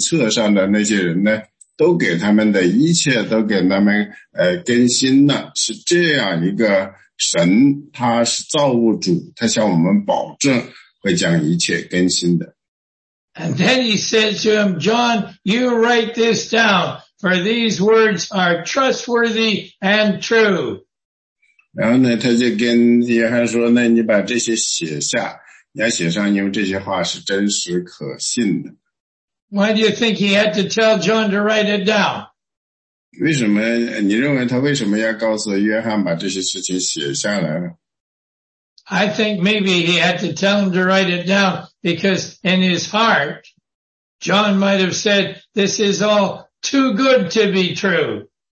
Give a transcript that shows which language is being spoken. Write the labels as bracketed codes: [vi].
[zh] 也就是那个坐在那个宝座上的那个同样的他审判那些邪恶的人去的那样一个人他呢就是实际上呢他坐在宝座上他给保证向我们保证就是说呢他是他创造的整个世界他把那些所有的记载在生命册上的那些人呢 都给他们的一切，都给他们更新了，是这样一个神，他是造物主，他向我们保证会将一切更新的。 [en] And then he says to him, John, you write this down, for these words are trustworthy and true. [zh] 然后呢，他就跟约翰说，那你把这些写下，你要写上，因为这些话是真实可信的。 [en] Why do you think he had to tell John to write it down? [zh] 为什么你认为他为什么要告诉约翰把这些事情写下来呢? [en] I think maybe he had to tell him to write it down because in his heart, John might have said, this is all too good to be true.